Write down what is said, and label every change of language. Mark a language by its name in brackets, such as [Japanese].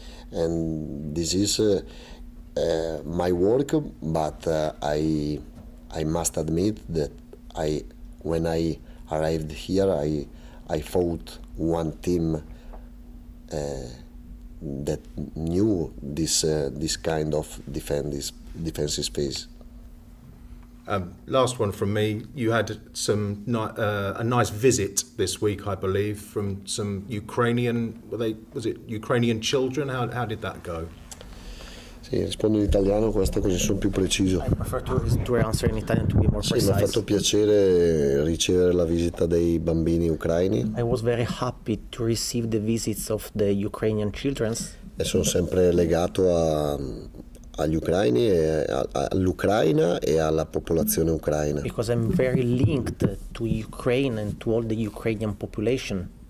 [English] And this is my work, but I must admit that when I arrived here, I fought one team that knew this kind of defensive space. Last one from me. You had a nice visit this week, I believe, from some Ukrainian. Were they? Was it Ukrainian children? How did that go? [Italian] Sì, rispondo in italiano, questo così sono più preciso. [English] I prefer to answer in Italian to be more precise. [Italian] Sì, mi ha fatto piacere ricevere la visita dei bambini ucraini. [English] I was very happy to receive the visits of the Ukrainian children. [Italian] E sono sempre legato a agli ucraini e all'Ucraina e alla popolazione ucraina. [English] Because I'm very linked to Ukraine and to all the Ukrainian population.